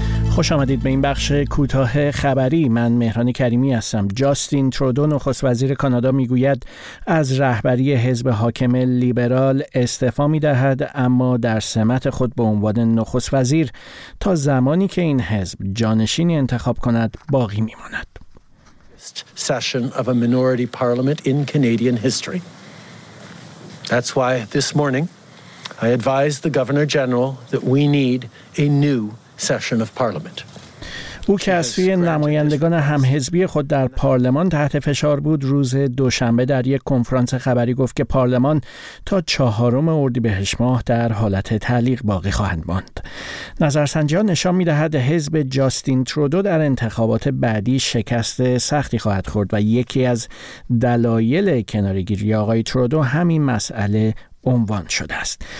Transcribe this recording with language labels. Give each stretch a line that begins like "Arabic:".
Persian: خوش آمدید به این بخش کوتاه خبری. من مهران کریمی هستم. جاستین ترودو نخست وزیر کانادا میگوید از رهبری حزب حاکم لیبرال استعفا میدهد، اما در سمت خود به عنوان نخست وزیر تا زمانی که این حزب جانشینی انتخاب کند باقی میماند.
English: Session of a minority parliament in Canadian history. That's why this morning I advised the governor general that we need a new session of parliament.
Persian: او که از سوی نمایندگان همحزبی خود در پارلمان تحت فشار بود، روز دوشنبه در یک کنفرانس خبری گفت که پارلمان تا 4 اردیبهشت ماه در حالت تعلیق باقی خواهند ماند. نظرسنجی‌ها نشان می‌دهد حزب جاستین ترودو در انتخابات بعدی شکست سختی خواهد خورد و یکی از دلایل کنارگیری آقای ترودو همین مسئله عنوان شده است.